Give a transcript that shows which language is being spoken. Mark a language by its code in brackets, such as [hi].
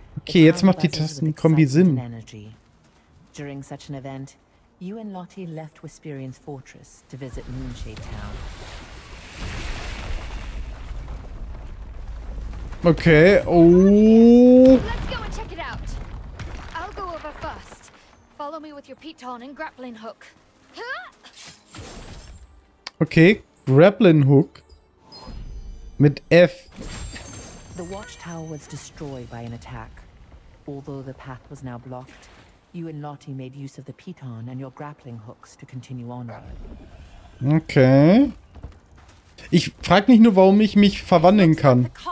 [de] Okay, jetzt macht die Tastenkombi Sinn. [en] During such an event, you and Lottie left Whisperian's fortress to visit Moonshade Town. Okay, oh! Let's go and check it out! I'll go over first. Follow me with your piton and grappling hook. [de] Okay, grappling hook. Mit F. [en] The watchtower was destroyed by an attack. Although the path was now blocked, you and Lottie made use of the piton and your grappling hooks to continue onward. Okay. [de] Ich frag mich nur, warum ich mich verwandeln kann.